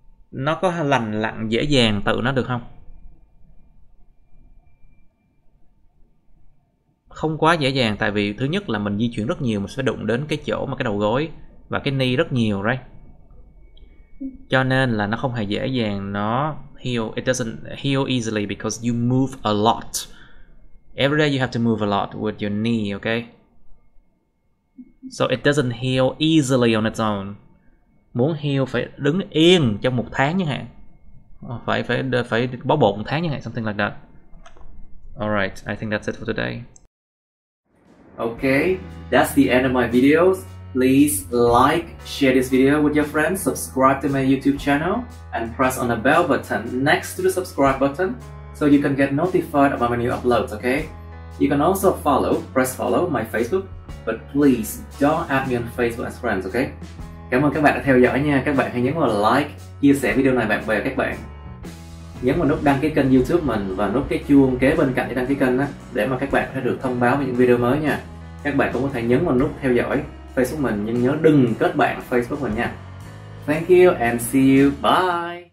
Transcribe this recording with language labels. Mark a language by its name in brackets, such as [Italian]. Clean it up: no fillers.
[Vietnamese] Nó có lành lặn dễ dàng tự nó được không? Không quá dễ dàng, tại vì thứ nhất là mình di chuyển rất nhiều, mình sẽ đụng đến cái chỗ mà cái đầu gối và cái ni rất nhiều, right? Cho nên là nó không hề dễ dàng nó heal. [English] It doesn't heal easily because you move a lot. Every day you have to move a lot with your knee, okay? So it doesn't heal easily on its own. Muốn heal phải đứng yên trong một tháng chẳng hạn. Phải bó bột một tháng chẳng hạn, something like that. Alright, I think that's it for today. Okay, that's the end of my videos. Please like, share this video with your friends, subscribe to my YouTube channel, and press on the bell button next to the subscribe button so you can get notified about my new uploads, okay? You can also press follow my Facebook, but please don't add me on Facebook as friends, okay? [Vietnamese] Cảm ơn các bạn đã theo dõi nha. Các bạn hãy nhấn vào like, chia sẻ video này bạn bè các bạn. Nhấn vào nút đăng ký kênh YouTube mình và nút cái chuông kế bên cạnh để đăng ký kênh á, để mà các bạn sẽ được thông báo về những video mới nha. Các bạn cũng có thể nhấn vào nút theo dõi Facebook mình, nhưng nhớ đừng kết bạn Facebook mình nha. [English] Thank you and see you. Bye.